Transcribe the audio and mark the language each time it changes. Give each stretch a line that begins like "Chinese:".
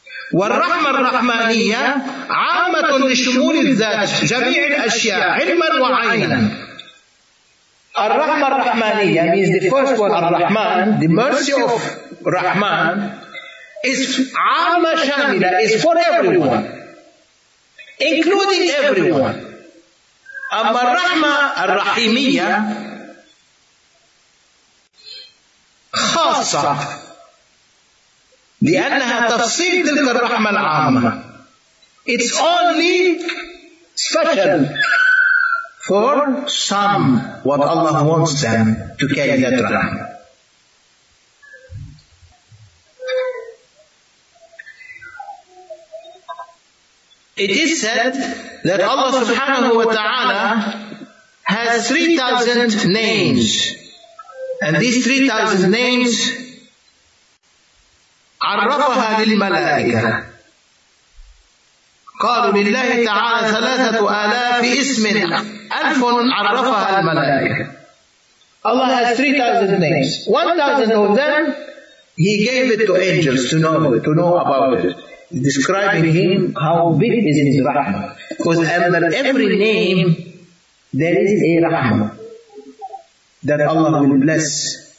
Arabic: وَالرَّحْمَ الرَّحْمَانِيَّةِ عَامَةٌ لِشُمُولِ الذَّاتِ جَمِيعِ الْأَشْيَاءِ عِلْمًا وَعَيْنًا. الرَّحْمَ الرَّحْمَانِيَّةِ
English: means the first one, ar-Rahman, the mercy of Rahman, is
Arabic: عَامَ شَامِلَ,
English: is for everyone, including everyone.
Arabic: Amma ar-Rahma ar-Rahimiyya khasa, لأنها تفصيل تلك الرحمة العامة.
English: It's only special for some, what Allah wants them to carry that rahmah. It is said that Allah subhanahu wa ta'ala has 3,000 names. And these 3,000 names,
Arabic: عرفها للملائكة. قال بالله تعالى 3,000 اسم ألف عرفها الملائكة.
English: Allah has 3,000 names. 1,000 of them, He gave it to angels to know about it. Describing him how big is his rahmah. Because under every name, there is a rahmah that Allah will bless.